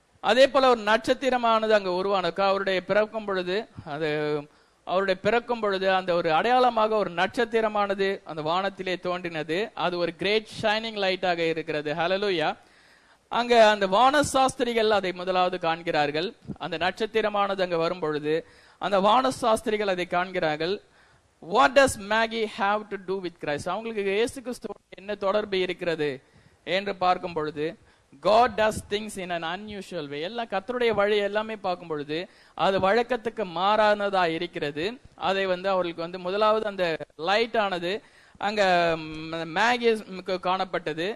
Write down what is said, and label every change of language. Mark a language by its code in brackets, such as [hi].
[ta] அதே போல ஒரு நட்சத்திரமானது அங்கு உருவானுக்கு அவருடைய பிறக்கும் பொழுது, அது அவருடைய பிறக்கும் பொழுது அந்த ஒரு அடையாளமாக ஒரு நட்சத்திரமானது அந்த வானத்திலே தோன்றினது. அது ஒரு கிரேட் ஷைனிங் லைட்டாக இருக்கிறது. ஹல்லேலூயா. அங்க அந்த வானசாஸ்திரிகள் அதை முதலாவது காண்கிறார்கள். அந்த நட்சத்திரமானது அங்க வரும் பொழுது அந்த வானசாஸ்திரிகள் அதை காண்கிறார்கள். [en] What does Maggie have to do with Christ? [ta] அவங்களுக்கு இயேசு கிறிஸ்துவோட என்ன தொடர்பு இருக்கிறது என்று பார்க்கும் பொழுது, [en] God does things in an unusual way. [ta] எல்லாம் கர்த்தருடைய வழி எல்லாமே பார்க்கும் பொழுது அது வழக்கத்துக்கு மாறானதா இருக்கிறது. அதை வந்து அவர்களுக்கு வந்து முதலாவது அந்த லைட் ஆனது அங்க மேகிக்கு காணப்பட்டது.